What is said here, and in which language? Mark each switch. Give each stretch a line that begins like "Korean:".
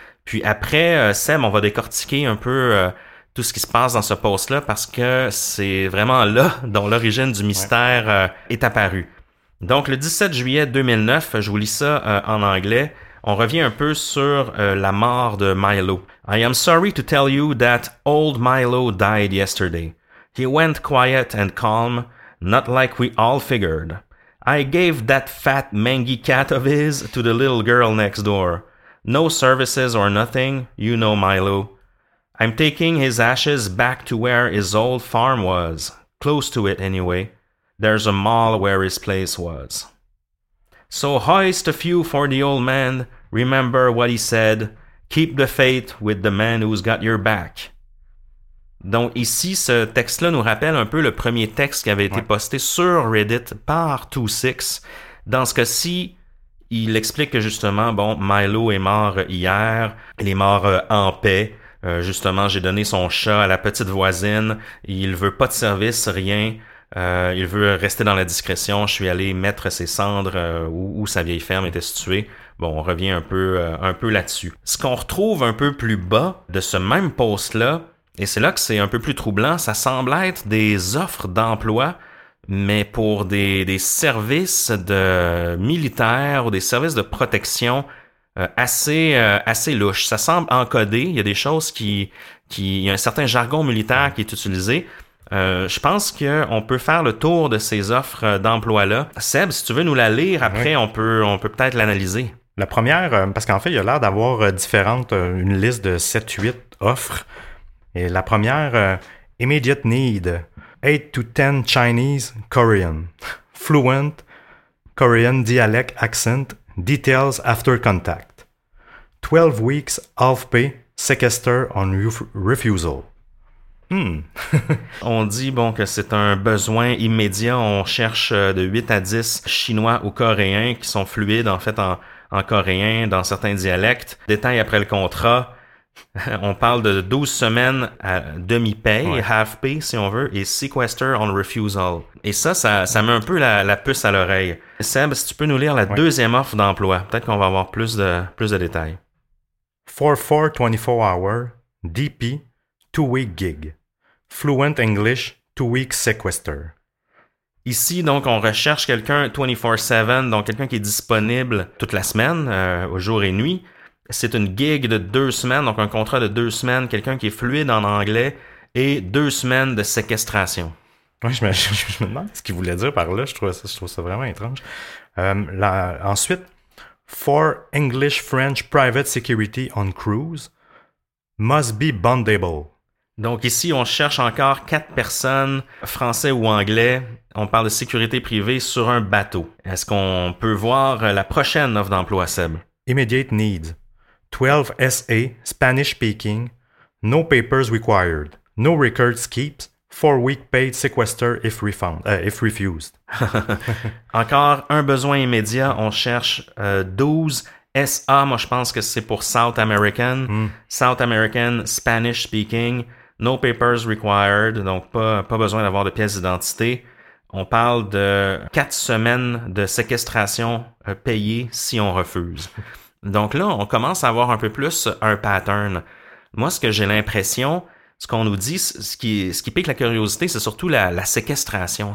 French: Puis après, Seb, on va décortiquer un peu tout ce qui se passe dans ce post-là parce que c'est vraiment là dont l'origine du mystère est apparue. Donc, le 17 juillet 2009, je vous lis ça en anglais. on revient un peu sur la mort de Milo.
English: I am sorry to tell you that old Milo died yesterday. He went quiet and calm, not like we all figured. I gave that fat mangy cat of his to the little girl next door. No services or nothing, you know Milo. I'm taking his ashes back to where his old farm was, close to it anyway. There's a mall where his place was. So hoist a few for the old man, remember what he said, keep the faith with the man who's got your back.
French: Donc ici, ce texte-là nous rappelle un peu le premier texte qui avait été posté sur Reddit par 2-6. Dans ce cas-ci, il explique que justement, bon, Milo est mort hier, il est mort en paix. Justement, j'ai donné son chat à la petite voisine, il veut pas de service, rien. Il veut rester dans la discrétion, je suis allé mettre ses cendres où sa vieille ferme était située. Bon, on revient un peu là-dessus. Ce qu'on retrouve un peu plus bas de ce même post-là, et c'est là que c'est un peu plus troublant, ça semble être des offres d'emploi, mais pour des services de militaires ou des services de protection assez louches. Ça semble encodé, il y a des choses qui... Il y a un certain jargon militaire qui est utilisé. Je pense qu'on peut faire le tour de ces offres d'emploi-là. Seb, si tu veux nous la lire, après, on peut peut-être l'analyser. La première, parce qu'en fait, il y a l'air d'avoir différentes, une liste de 7-8 offres. Et la première,
English: immediate need, 8 to 10 Chinese, Korean, fluent, Korean dialect accent, details after contact, 12 weeks, half pay, sequester on refusal.
French: On dit bon que c'est un besoin immédiat, on cherche de 8 à 10 chinois ou coréens qui sont fluides en fait en coréen dans certains dialectes. Détail après le contrat, on parle de 12 semaines à demi-pay, ouais.
English: Half pay
French: si on veut, et
English: sequester on refusal.
French: Et ça met un peu la puce à l'oreille. Seb, si tu peux nous lire la deuxième offre d'emploi, peut-être qu'on va avoir plus de détails.
English: 4-4, 24 hours, DP, 2-week gig. Fluent English, 2-week sequester.
French: Ici, donc, on recherche quelqu'un 24-7, donc quelqu'un qui est disponible toute la semaine, jour et nuit. C'est une gig de 2 semaines, donc un contrat de 2 semaines, quelqu'un qui est fluide en anglais et 2 semaines de séquestration. Oui, je me demande ce qu'il voulait dire par là. Je trouve ça vraiment étrange. Ensuite,
English: 4 English-French private security on cruise must be bondable.
French: Donc ici, on cherche encore 4 personnes, français ou anglais. On parle de sécurité privée sur un bateau. Est-ce qu'on peut voir la prochaine offre d'emploi, Seb?
English: Immediate need. 12 SA, Spanish speaking. No papers required. No records keeps. 4-week paid sequester if refused.
French: Encore un besoin immédiat. On cherche 12 SA. Moi, je pense que c'est pour
English: South American. Mm. South American, Spanish speaking. No papers required,
French: donc pas besoin d'avoir de pièces d'identité. On parle de 4 semaines de séquestration payée si on refuse. Donc là, on commence à avoir un peu plus un pattern. Moi, ce que j'ai l'impression, ce qu'on nous dit, ce qui pique la curiosité, c'est surtout la séquestration.